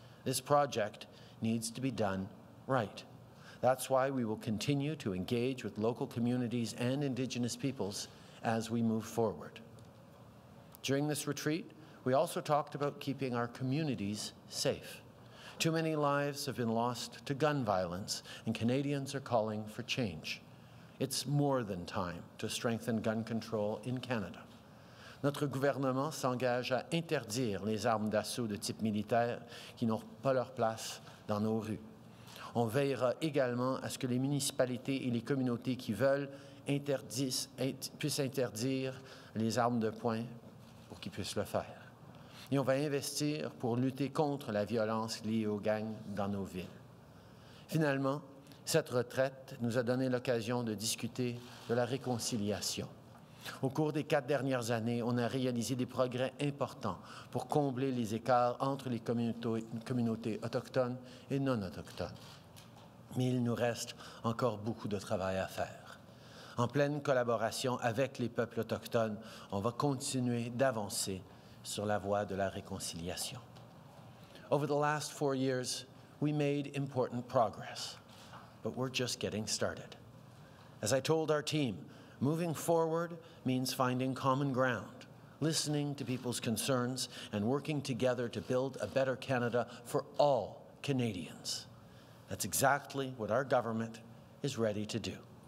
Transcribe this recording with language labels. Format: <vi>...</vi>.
<en>This project needs to be done right. That's why we will continue to engage with local communities and Indigenous peoples as we move forward. During this retreat, We also talked about keeping our communities safe. Too many lives have been lost to gun violence, and Canadians are calling for change. It's more than time to strengthen gun control in Canada.</en> <fr>Notre gouvernement s'engage à interdire les armes d'assaut de type militaire qui n'ont pas leur place dans nos rues. On veillera également à ce que les municipalités et les communautés qui veulent puissent interdire les armes de poing pour qu'ils puissent le faire. Et on va investir pour lutter contre la violence liée aux gangs dans nos villes. Finalement, cette retraite nous a donné l'occasion de discuter de la réconciliation. Au cours des quatre dernières années, on a réalisé des progrès importants pour combler les écarts entre les communautés autochtones et non autochtones. Mais il nous reste encore beaucoup de travail à faire. En pleine collaboration avec les peuples autochtones, on va continuer d'avancer sur la voie de la réconciliation.</fr> <en>Over the last 4 years, we made important progress, but we're just getting started. As I told our team, moving forward means finding common ground, listening to people's concerns, and working together to build a better Canada for all Canadians. That's exactly what our government is ready to do.</en>